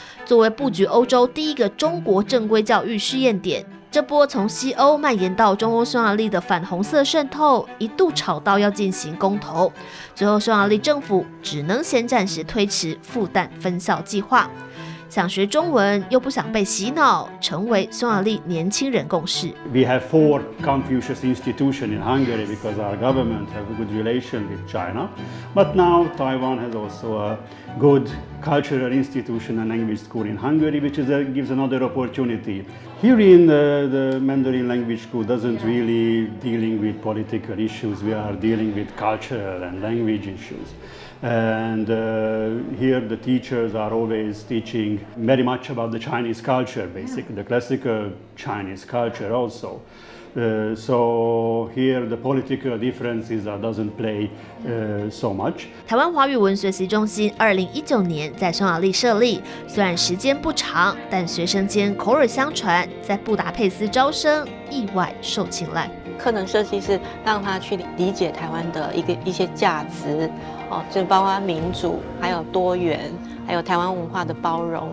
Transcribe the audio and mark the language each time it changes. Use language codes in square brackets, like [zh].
[zh] 作为布局欧洲第一个中国正规教育试验点，这波从西欧蔓延到中欧匈牙利的反红色渗透一度吵到要进行公投，最后匈牙利政府只能先暂时推迟复旦分校计划。想学中文又不想被洗脑，成为匈牙利年轻人共识。 [en] We have four Confucius institution in Hungary because our government have a good relation with China, but now Taiwan has also a good cultural institution and language school in Hungary, which is gives another opportunity. Here in the Mandarin language school doesn't really dealing with political issues. We are dealing with cultural and language issues. And here the teachers are always teaching very much about the Chinese culture, basically, the classical Chinese culture also. So here the political differences doesn't play so much. [zh] 台湾华语文学习中心2019年在匈牙利设立，虽然时间不长，但学生间口耳相传，在布达佩斯招生意外受青睐。课程设计是让他去理解台湾的一些价值，哦，就包括民主，还有多元，还有台湾文化的包容。